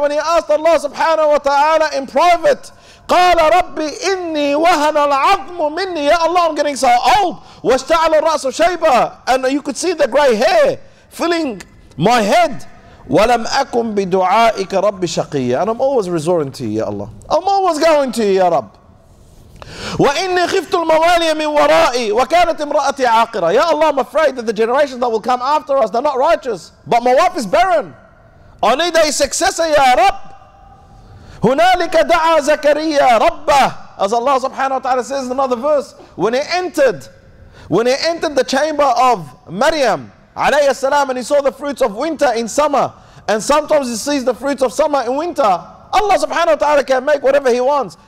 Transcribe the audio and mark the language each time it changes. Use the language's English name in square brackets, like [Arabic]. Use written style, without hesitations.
[English] When he asked Allah subhanahu wa ta'ala in private, [Arabic] قال ربي إني وهن العظم مني. [English] Ya Allah, I'm getting so old. [Arabic] واشتعل الرأس شيبة. [English] And you could see the grey hair filling my head. [Arabic] ولم أكن بدعائك ربي شقيا. [English] And I'm always resorting to you, Ya Allah. I'm always going to you, Ya Rab. [Arabic] وإني خفت الموالي من ورائي وكانت امرأتي عاقرة. [English] Ya Allah, I'm afraid that the generations that will come after us, they're not righteous. But my wife is barren. I need a successor, Ya Rab. [Arabic] هنالك دعا زكريا ربه. [English] As Allah subhanahu wa ta'ala says in another verse, when he entered the chamber of Maryam alayhi salam, and he saw the fruits of winter in summer, and sometimes he sees the fruits of summer in winter, Allah subhanahu wa ta'ala can make whatever he wants.